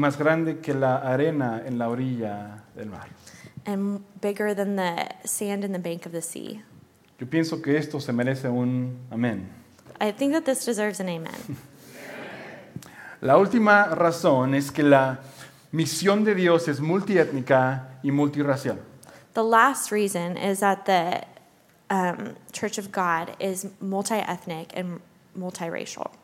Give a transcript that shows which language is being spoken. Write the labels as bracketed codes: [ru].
[es] Y más grande que la arena en la orilla del mar. [en] And bigger than the sand in the bank of the sea. [es] Yo pienso que esto se merece un amén. [en] I think that this deserves an amen. [es] La última razón es que la misión de Dios es multiétnica y multiracial. [en] The last reason is that the Church of God is multiethnic and multiracial.